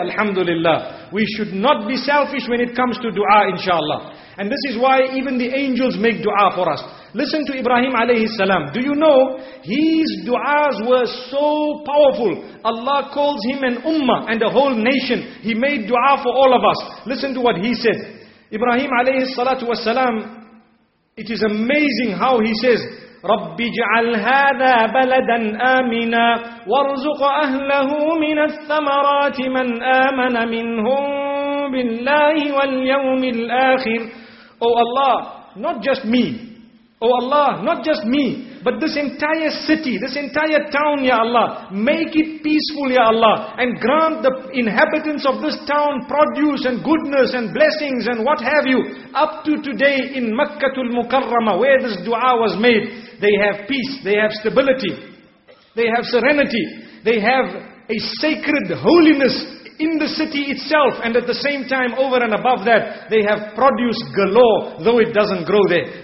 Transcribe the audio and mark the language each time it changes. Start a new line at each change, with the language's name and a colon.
English: Alhamdulillah. We should not be selfish when it comes to dua, inshallah. And this is why even the angels make dua for us. Listen to Ibrahim alayhi salam. Do you know, his duas were so powerful. Allah calls him an ummah and a whole nation. He made dua for all of us. Listen to what he said. Ibrahim alayhi salatu wasalam, it is amazing how he says,
Arabic: رَبِّ جَعَلْ هَذَا بَلَدًا آمِنًا وَارْزُقْ أَهْلَهُ مِنَ الثَّمَرَاتِ مَنْ آمَنَ مِنْهُمْ بِاللَّهِ وَالْيَوْمِ الْآخِرِ.
English: Oh Allah, not just me. Oh Allah, not just me, but this entire city, this entire town, Ya Allah, make it peaceful, Ya Allah, and grant the inhabitants of this town produce and goodness and blessings and what have you. Up to today in Makkatul Mukarramah, where this dua was made, they have peace, they have stability, they have serenity, they have a sacred holiness in the city itself, and at the same time over and above that, they have produce galore, though it doesn't grow there.